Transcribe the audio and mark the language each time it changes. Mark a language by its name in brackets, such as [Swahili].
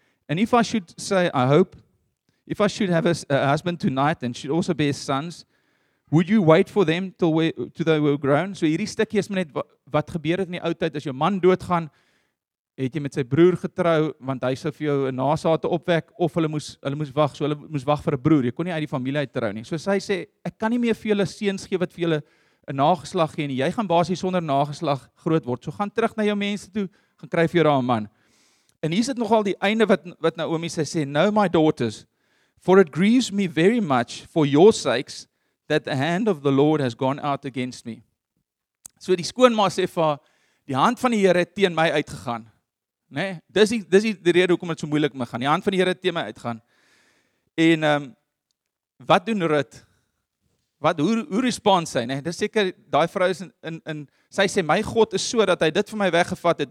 [English] And if I should say, I hope if I should have a husband tonight and should also bear sons, would you wait for them till they were grown?" [Afrikaans] So hierdie stukkie is maar net wat gebeur het in die ou tyd as jou man doodgaan, het jy met sy broer getrou want hy sou vir jou 'n nasate opwek of hulle moes wag, so hulle moes wag vir 'n broer. Jy kon nie uit die familie uit trou nie. So sy sê ek kan nie meer vir julle seuns gee wat vir julle 'n nageslag gee nie. Jy gaan basies sonder nageslag groot word. So gaan terug na jou mense toe, gaan kry vir jou daai man. En hier sit nogal die einde wat Naomi sy sê: [English] "Now my daughters, for it grieves me very much for your sakes that the hand of the Lord has gone out against me." [Afrikaans] So die skoonma sê vir haar, die hand van die Here het teen my uitgegaan. Né? Dis die rede hoekom dit so moeilik mee gaan. Die hand van die Here het teen my uitgaan. En wat doen Rut? Hoe respond sy, né? Dis seker daai vrou is in sy sê my God is so dat hy dit vir my weggevat het.